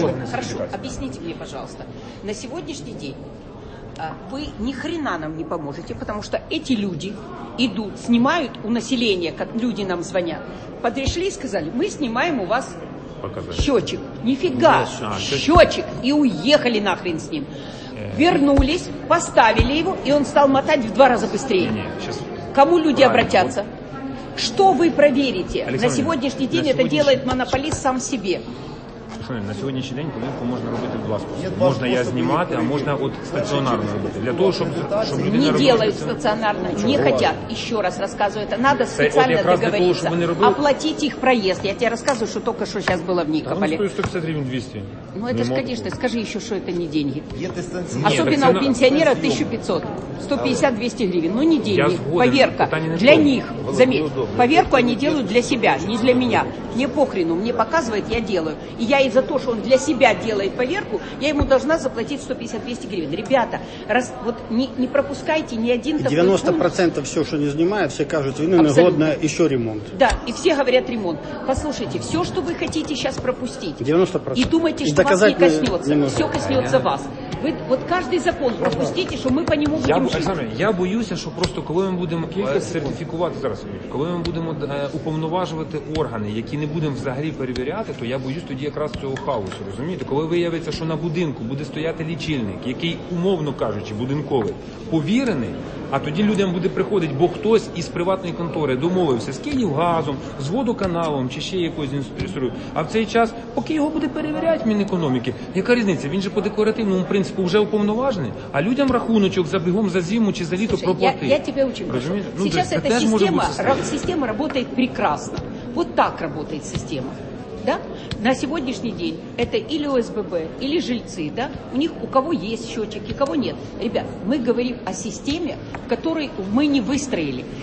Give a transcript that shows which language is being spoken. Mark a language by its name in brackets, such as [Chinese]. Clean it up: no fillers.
[Ukrainian] Хорошо, об'ясніть мені, пожалуйста. На сьогоднішній день ви ніхрена нам не поможете, тому що ці люди йдуть, знімають у населення, як люди нам дзвонять, підійшли і сказали, ми знімаємо у вас... [Russian] Показать. Счетчик. Нифига. Счетчик. И уехали нахрен с ним. Вернулись, поставили его, и он стал мотать в два раза быстрее. Нет, сейчас... Кому люди обратятся? Что вы проверите? Александр, на сегодняшний день это делает монополист сам себе. [Ukrainian] Шановні, на сьогоднішній день повірку можна робити в два способи. Можна я знімати, а можна от стаціонарно робити. Для того, щоб люди не роблять стаціонарно. Не хочуть. І ще раз розказую, це треба спеціально договоритися. Оплатити їх проїзд. Я тебе розказую, що тільки що зараз було в Нікополі. Там стоїть 150 гривень 200. Ну, це ж, звісно, скажи ще, що це не гроші. Особливо у пенсіонера 1500. 150-200 гривень. Ну, не гроші. Повірка. Для них. Повірку вони роблять для себе, не для мене. [Russian] Мне похрену, мне показывает, я делаю. И я и за то, что он для себя делает поверку, я ему должна заплатить 150-200 гривен. Ребята, раз, вот не пропускайте ни один такой 90% все, что не снимают, все кажут, вину негодно, еще ремонт. Да, и все говорят ремонт. Послушайте, все, что вы хотите сейчас пропустить, 90%. И думайте, что и вас не коснется. Не все коснется вас. [Ukrainian] Ви от кожен закон пропустите, що ми по ньому будемо жити. Я боюся, що просто коли ми будемо сертифікувати зараз, коли ми будемо уповноважувати органи, які не будемо взагалі перевіряти, то я боюсь тоді якраз цього хаосу, розумієте? Коли виявиться, що на будинку буде стояти лічильник, який, умовно кажучи, будинковий, повірений, а тоді людям буде приходити, бо хтось із приватної контори домовився з Київгазом, з водоканалом чи ще якоюсь інструкцією, а в цей час, поки його буде перевіряти Мінекономіки, яка різниця? Він же по декоративному принципу. Принципу вже уповноважений, а людям рахуночок за бігом за зиму чи за літо проплатити. [Russian] Я тебе учу. [Ukrainian] Зараз ця система работает прекрасно. [Russian] Вот так работает система. Да? На сегодняшний день это или ОСББ, или жильцы, да? У них у кого есть счетчик, у кого нет. Ребят, мы говорим о системе, в которой мы не выстроили.